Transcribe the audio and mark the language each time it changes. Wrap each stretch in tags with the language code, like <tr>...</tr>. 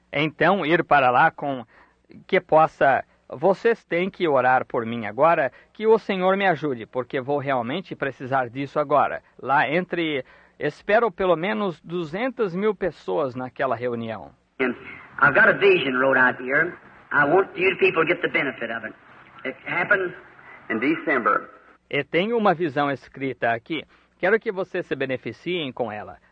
<pt>Então, ir para lá com que possa Vocês têm que orar por mim agora, que o Senhor me ajude, porque vou realmente precisar disso agora. Lá entre, espero pelo menos 200 mil pessoas naquela reunião.</pt> <en>I've got a vision wrote out here. I want you people to get the benefit of it. It happened in December.</en> <pt>E tenho uma visão escrita aqui. Quero que vocês se beneficiem com ela.</pt>